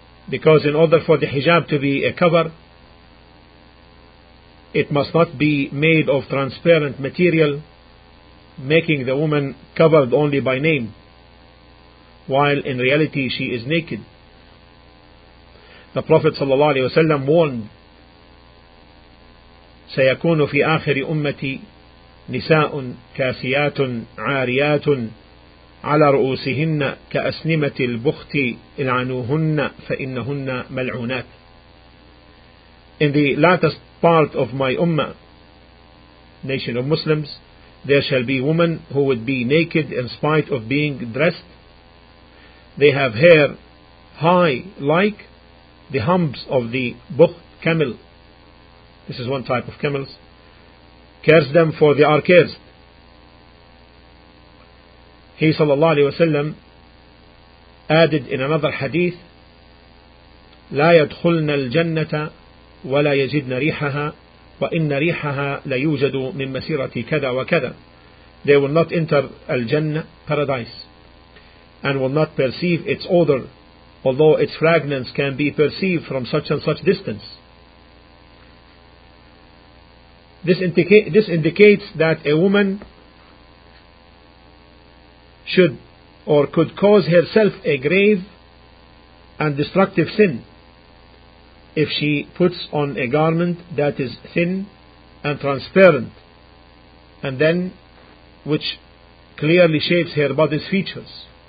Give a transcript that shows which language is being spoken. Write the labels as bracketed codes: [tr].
[en] Because in order for the hijab to be a cover, it must not be made of transparent material, making the woman covered only by name, while in reality she is naked. The Prophet sallallahu alaihi wasallam warned, [ar] سَيَكُونُ فِي آخِرِ أُمَّتِي نِسَاءٌ كَاسِيَاتٌ عَارِيَاتٌ على رؤوسهن كأسنمة البخت إلعنوهن فإنهن ملعونات. [en] In the latest part of my ummah, nation of Muslims, there shall be women who would be naked in spite of being dressed. They have hair high like the humps of the bukht camel. This is one type of camels. Curse them, for they are cursed. He sallallahu alayhi wa sallam added in another hadith, [ar] لا يدخلن الجنة ولا يجدن ريحها وإن ريحها ليوجد من مسيرة كذا وكذا. [en] They will not enter al-Jannah, paradise, and will not perceive its odor, although its fragrance can be perceived from such and such distance. This indicates that a woman should or could cause herself a grave and destructive sin if she puts on a garment that is thin and transparent, and then which clearly shapes her body's features.